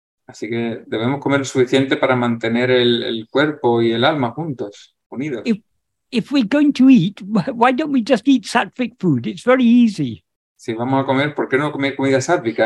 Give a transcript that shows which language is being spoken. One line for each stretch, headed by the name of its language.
Spanish: Así que debemos comer suficiente para mantener el cuerpo y el alma juntos, unidos.
English: If we're going to eat, why don't we just eat sattvic food? It's very easy.
Spanish: Si vamos a comer, ¿por qué no comer comida sattvica?